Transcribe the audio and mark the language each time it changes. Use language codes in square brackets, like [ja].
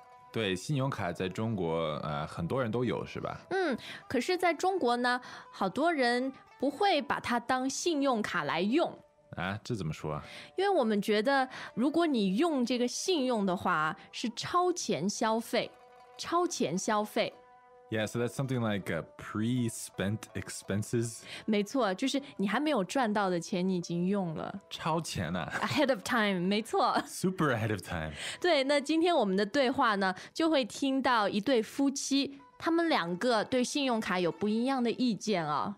[zh] 对，信用卡在中国，很多人都有，是吧？嗯，可是在中国呢，好多人不会把它当信用卡来用。啊，这怎么说啊？因为我们觉得，如果你用这个信用的话，是超前消费，超前消费。 [en] Yeah, so that's something like pre-spent expenses. [zh] 没错，就是你还没有赚到的钱你已经用了。超前啊。 [en] Ahead of time, [zh] 没错。 [en] Super ahead of time. [zh] 对，那今天我们的对话呢，就会听到一对夫妻，他们两个对信用卡有不一样的意见哦。